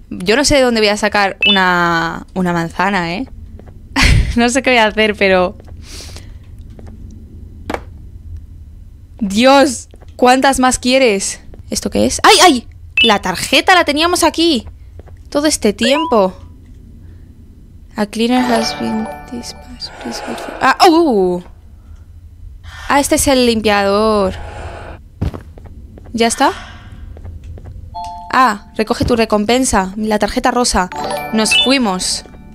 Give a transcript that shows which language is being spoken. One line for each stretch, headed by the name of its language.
Spanish: yo no sé de dónde voy a sacar una manzana, ¿eh? No sé qué voy a hacer, pero... ¡Dios! ¿Cuántas más quieres? ¿Esto qué es? ¡Ay, ay! ¡La tarjeta la teníamos aquí! Todo este tiempo.
English: A cleaner has been dispatched. ¡Ah!
Spanish: ¡Oh! ¡Ah, este es el limpiador! ¿Ya está? ¡Ah! Recoge tu recompensa. La tarjeta rosa. Nos fuimos.